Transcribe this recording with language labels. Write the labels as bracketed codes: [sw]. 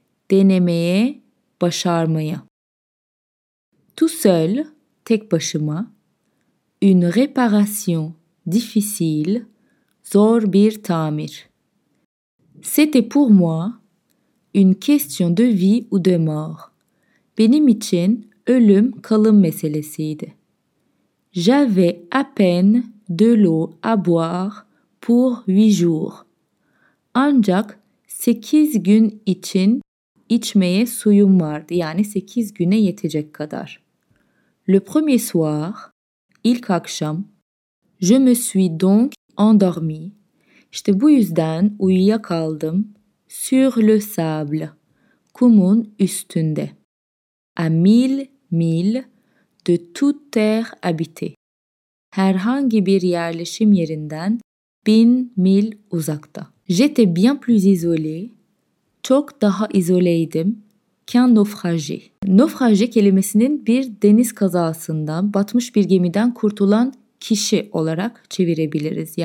[tr] Denemeye, başarmaya. [fr] Tout seul, [tr] tek başıma, [fr] une réparation difficile, [tr] zor bir tamir. [fr] C'était pour moi une question de vie ou de mort. [tr] Benim için ölüm kalım meselesiydi. [fr] J'avais à peine de l'eau à boire pour 8 jours. [tr] Ancak 8 gün için İçmeye suyum vardı, yani 8 güne yetecek kadar. [fr] Le premier soir, [tr] ilk akşam, [fr] je me suis donc endormi. [tr] İşte bu yüzden uyuyakaldım, [fr] sur le sable, [tr] kumun üstünde. [fr] À 1000 miles de toute terre habitée. [tr] Herhangi bir yerleşim yerinden 1000 mil uzakta. [fr] J'étais bien plus isolé. [tr] Çok daha izoleydim [fr] qu'un naufragé. [tr] Naufragé kelimesinin bir deniz kazasından, batmış bir gemiden kurtulan kişi olarak çevirebiliriz.